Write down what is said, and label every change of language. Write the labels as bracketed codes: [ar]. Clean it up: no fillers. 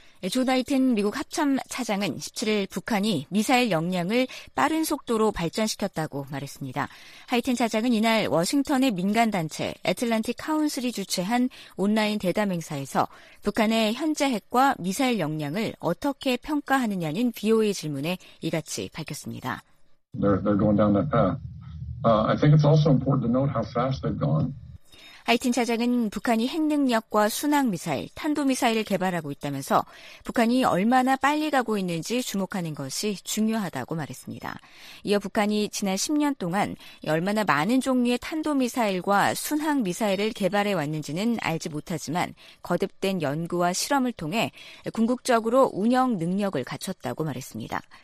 [ko] 조 나이튼 미국 합참 차장은 17일 북한이 미사일 역량을 빠른 속도로 발전시켰다고 말했습니다. 하이튼 차장은 이날 워싱턴의 민간단체 애틀란틱 카운슬이 주최한 온라인 대담 행사에서 북한의 현재 핵과 미사일 역량을 어떻게 평가하느냐는 BOA 질문에 이같이 밝혔습니다. [en] They're going down that path. I think it's also important to note how fast they've gone. [ko] 하이틴 차장은 북한이 핵능력과 순항미사일, 탄도미사일을 개발하고 있다면서 북한이 얼마나 빨리 가고 있는지 주목하는 것이 중요하다고 말했습니다. 이어 북한이 지난 10년 동안 얼마나 많은 종류의 탄도미사일과 순항미사일을 개발해왔는지는 알지 못하지만 거듭된 연구와 실험을 통해 궁극적으로 운영 능력을 갖췄다고 말했습니다.